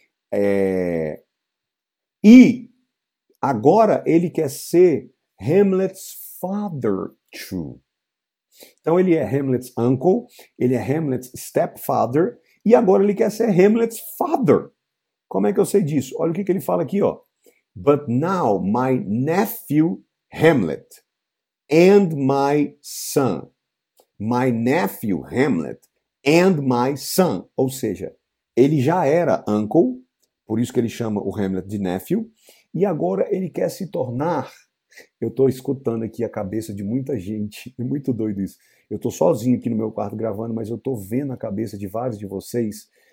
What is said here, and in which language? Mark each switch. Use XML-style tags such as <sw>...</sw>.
<pt>É, e agora ele quer ser</pt> <en>Hamlet's father too.</en> <pt>Então ele é</pt> <en>Hamlet's uncle,</en> <pt>ele é</pt> <en>Hamlet's stepfather,</en> <pt>e agora ele quer ser</pt> <en>Hamlet's father.</en> <pt>Como é que eu sei disso? Olha o que ele fala aqui, ó.</pt> <en>But now my nephew Hamlet and my son. My nephew Hamlet and my son.</en> <pt>Ou seja, ele já era uncle, por isso que ele chama o Hamlet de nephew, e agora ele quer se tornar... Eu estou escutando aqui a cabeça de muita gente, é muito doido isso. Eu estou sozinho aqui no meu quarto gravando, mas eu estou vendo a cabeça de vários de vocês.</pt>